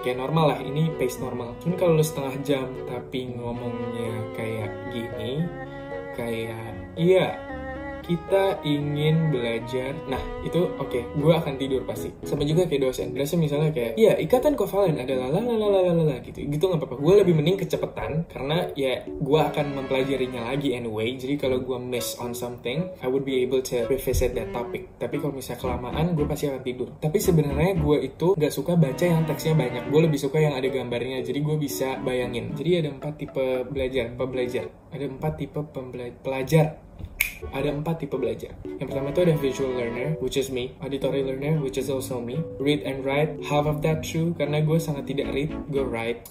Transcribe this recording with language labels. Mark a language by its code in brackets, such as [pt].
[id] Kayak normal lah, ini pace normal. Cuman kalau lu setengah jam, tapi ngomongnya kayak gini, kayak, iya, kita ingin belajar. Nah, itu oke. Okay. Gue akan tidur pasti. Sama juga kayak dosen. Dosen misalnya kayak, ya, ikatan kovalen adalah lalalalalala gitu. Gitu gak apa-apa. Gue lebih mending kecepatan. Karena ya, gue akan mempelajarinya lagi anyway. Jadi kalau gue [en] miss on something, I would be able to revisit that topic. [id] Tapi kalau misalnya kelamaan, gue pasti akan tidur. Tapi sebenarnya gue itu gak suka baca yang teksnya banyak. Gue lebih suka yang ada gambarnya. Jadi gue bisa bayangin. Jadi ada 4 tipe pembelajar. ada 4 tipe belajar. Yang pertama itu ada [en] visual learner, which is me. Auditory learner, which is also me. Read and write, half of that true, [id] karena gue sangat tidak [en] read, gue write.